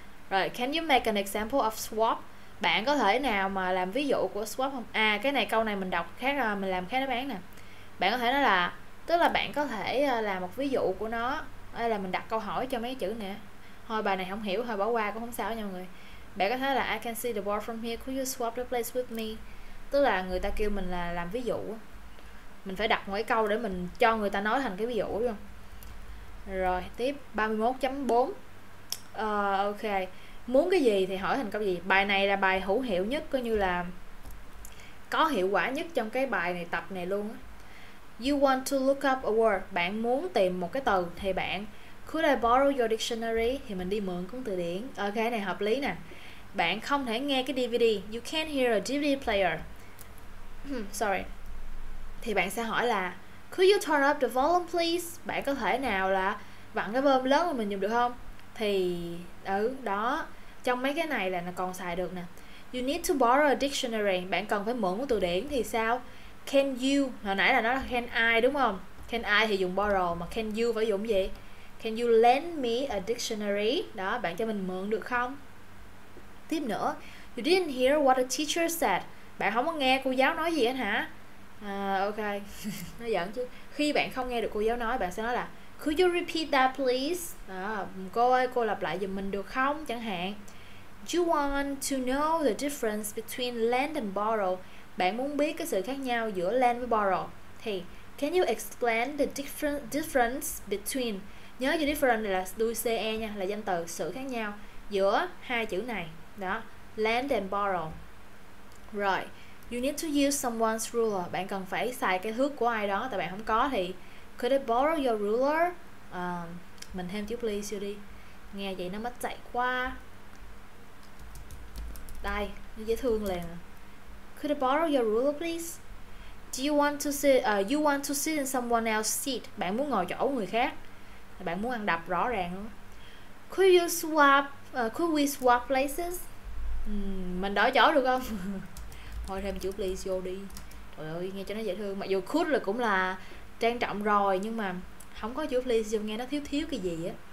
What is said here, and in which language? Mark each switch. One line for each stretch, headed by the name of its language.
English: Rồi, can you make an example of swap?
Vietnamese: Bạn có thể nào mà làm ví dụ của swap không? À, cái này câu này mình đọc khác rồi, mình làm khác đáp án nè. Bạn có thể nói là, tức là bạn có thể làm một ví dụ của nó. Đây là mình đặt câu hỏi cho mấy chữ nè. Thôi bài này không hiểu, thôi bỏ qua cũng không sao nha mọi người. Bạn có thể là
English: I can see the board from here, could you swap the place with me?
Vietnamese: Tức là người ta kêu mình là làm ví dụ. Mình phải đặt mỗi câu để mình cho người ta nói thành cái ví dụ, đúng không? Rồi, tiếp 31.4. Ok. Muốn cái gì thì hỏi thành câu gì. Bài này là bài hữu hiệu nhất, coi như là có hiệu quả nhất trong cái bài này, tập này luôn.
English: You want to look up a word.
Vietnamese: Bạn muốn tìm một cái từ thì bạn,
English: could I borrow your dictionary?
Vietnamese: Thì mình đi mượn cuốn từ điển. Ok, này hợp lý nè. Bạn không thể nghe cái DVD.
English: You can't hear a DVD player. Sorry.
Vietnamese: Thì bạn sẽ hỏi là
English: could you turn up the volume please?
Vietnamese: Bạn có thể nào là vặn cái volume lớn mà mình dùng được không? Thì ừ, đó. Trong mấy cái này là nó còn xài được nè.
English: You need to borrow a dictionary.
Vietnamese: Bạn cần phải mượn cuốn từ điển thì sao?
English: Can you?
Vietnamese: Hồi nãy là nó là can I đúng không? Can I thì dùng borrow, mà can you phải dùng gì?
English: Can you lend me a dictionary?
Vietnamese: Đó, bạn cho mình mượn được không? Tiếp nữa,
English: you didn't hear what the teacher said.
Vietnamese: Bạn không có nghe cô giáo nói gì hết hả? Ok, nó giỡn chứ. Khi bạn không nghe được cô giáo nói, bạn sẽ nói là
English: could you repeat that please?
Vietnamese: Đó, cô ơi, cô lặp lại giùm mình được không? Chẳng hạn,
English: you want to know the difference between lend and borrow.
Vietnamese: Bạn muốn biết cái sự khác nhau giữa lend với borrow. Thì,
English: can you explain the difference between.
Vietnamese: Nhớ chữ difference là đuôi CE nha, là danh từ, sự khác nhau giữa hai chữ này.
English: Đó, lend and borrow. Rồi, you need to use someone's ruler.
Vietnamese: Bạn cần phải xài cái thước của ai đó. Tại bạn không có thì
English: could I borrow your ruler?
Vietnamese: Mình thêm chữ please vô đi. Nghe vậy nó mất dạy quá. Đây, nó dễ thương liền.
English: Could I borrow your ruler please? Do you want to sit you want to sit in someone else's seat?
Vietnamese: Bạn muốn ngồi chỗ người khác. Bạn muốn ăn đập rõ ràng luôn.
English: Could you swap could we swap places?
Vietnamese: Mình đổi chỗ được không? Thôi thêm chữ please vô đi. Trời ơi, nghe cho nó dễ thương. Mặc dù could là cũng là trang trọng rồi, nhưng mà không có chữ please vô nghe nó thiếu thiếu cái gì á.